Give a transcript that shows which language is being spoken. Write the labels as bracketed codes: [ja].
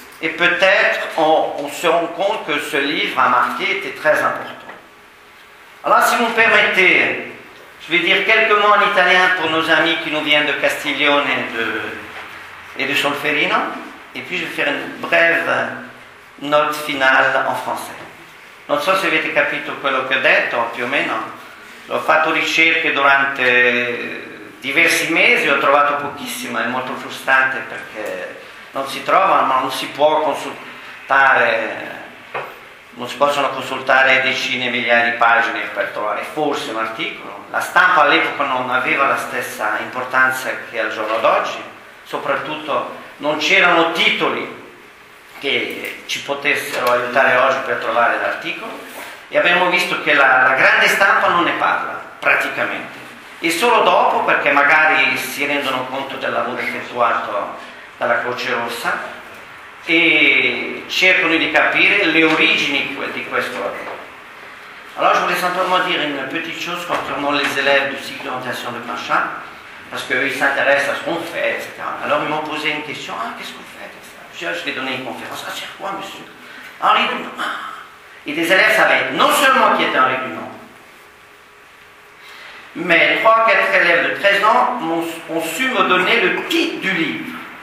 [fr] Et peut-être, on se rend compte que ce livre a marqué, était très important. Alors, si vous me permettez, je vais dire quelques mots en italien pour nos amis qui nous viennent de Castiglione et de Solferino, et puis je vais faire une brève note finale en français. [it] Non so se avete capito quello che ho detto, più o meno. Ho fatto ricerche durante diversi mesi, ho trovato pochissimo, è molto frustrante perché non si trova, ma non si può consultare, non si possono consultare decine e migliaia di pagine per trovare forse un articolo. La stampa all'epoca non aveva la stessa importanza che al giorno d'oggi. Soprattutto non c'erano titoli che ci potessero aiutare oggi per trovare l'articolo, e abbiamo visto che la grande stampa non ne parla praticamente, e solo dopo, perché magari si rendono conto del lavoro effettuato dalla Croce Rossa e cercano di capire le origini di questo lavoro. [fr] Allora je voulais simplement dire une petite chose concernant les élèves du cycle d'orientation de Pinchat, parce qu'ils s'intéressent à ce qu'on fait, etc. Alors ils m'ont posé une question, ah qu'est-ce qu'on fait, etc. Je vais donner une conférence, ah c'est quoi monsieur? Henri Dunant. Et des élèves savaient non seulement qui était Henri Dunant, mais 3-4 élèves de 13 ans ont su me donner le titre du livre.